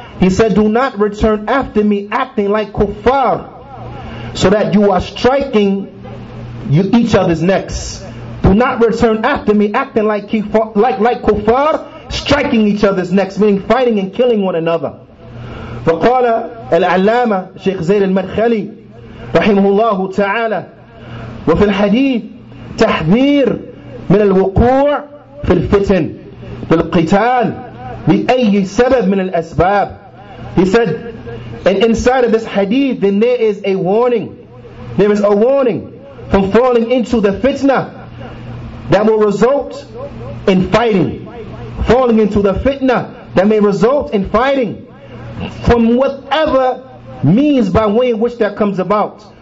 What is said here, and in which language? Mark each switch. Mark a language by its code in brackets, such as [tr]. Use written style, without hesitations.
[en] He said, do not return after me acting like kuffar, so that you are striking each other's necks. Do not return after me acting like kuffar, striking each other's necks, meaning fighting and killing one another. [ar] فقال العلامة شيخ زيد المدخلي رحمه الله تعالى, وفي الحديث تحذير من الوقوع في الفتن في القتال بأي سبب من الأسباب. [en] He said, and inside of this hadith, then there is a warning. There is a warning from falling into the fitna that will result in fighting. Falling into the fitna that may result in fighting from whatever means by way in which that comes about.